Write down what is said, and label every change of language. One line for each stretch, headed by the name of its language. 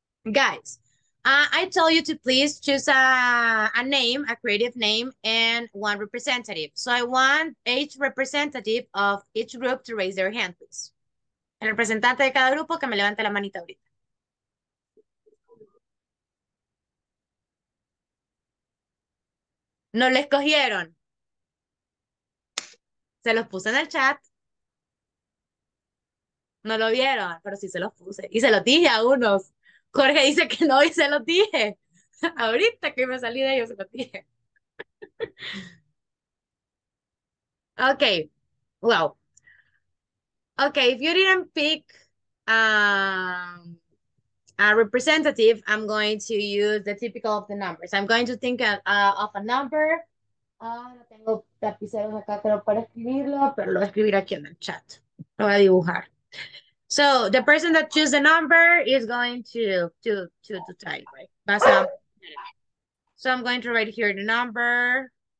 English: Guys, I tell you to please choose a name, a creative name, and one representative. So I want each representative of each group to raise their hand, please.
Spanish: El representante de cada grupo que me levante la manita ahorita. No les cogieron. Se los puse en el chat. No lo vieron, pero sí se los puse. Y se los dije a unos. Jorge dice que no y se los dije. Ahorita que me salí de ellos, se los dije.
English: Ok. Well. Ok, if you didn't pick a representative, I'm going to use the typical of the numbers. I'm going to think of a number.
Spanish: No tengo tapiceros acá, pero para escribirlo, pero lo voy a escribir aquí en el chat. Lo voy a dibujar.
English: So, the person that chooses the number is going to type, right? So, I'm going to write here the number.